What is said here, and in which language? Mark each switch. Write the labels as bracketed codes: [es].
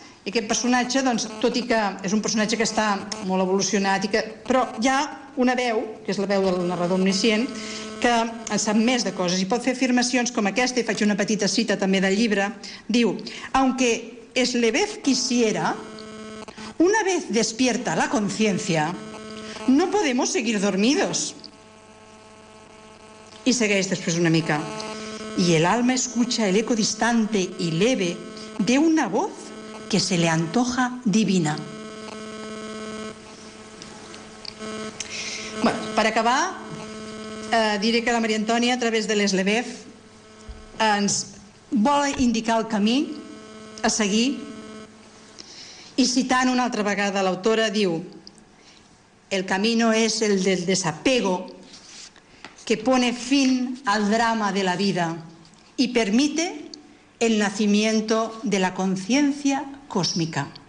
[ca] I aquest personatge, doncs, tot i que és un personatge que està molt evolucionat, i que, però hi ha una veu, que és la veu del narrador omniscient, que en sap més de coses i pot fer afirmacions com aquesta, i faig una petita cita també del llibre, diu: [es] aunque Slebev quisiera, una vez despierta la conciencia, no podemos seguir dormidos. [ca] Y segueix després una mica. [es] Y el alma escucha el eco distante y leve de una voz que se le antoja divina. [ca] Bueno, per acabar, diré que la Maria Antònia, a través de l'Slebev, ens vol indicar el camí a seguir. I citant una altra vegada l'autora, diu: [es] el camino es el del desapego que pone fin al drama de la vida y permite el nacimiento de la conciencia cósmica.